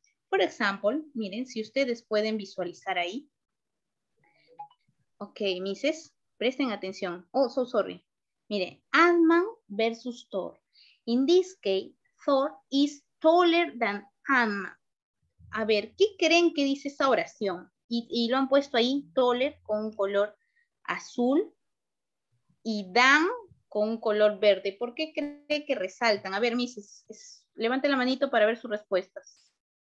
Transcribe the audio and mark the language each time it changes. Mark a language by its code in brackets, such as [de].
[es] Por ejemplo, miren, si ustedes pueden visualizar ahí, ok, Mises, presten atención. [en] Oh, so sorry. Mire, Ant-Man versus Thor. In this case, Thor is taller than Ant-Man. [es] A ver, ¿qué creen que dice esa oración? Y lo han puesto ahí, taller con un color azul y Dan con un color verde. ¿Por qué cree que resaltan? A ver, Mises, levante la manito para ver sus respuestas.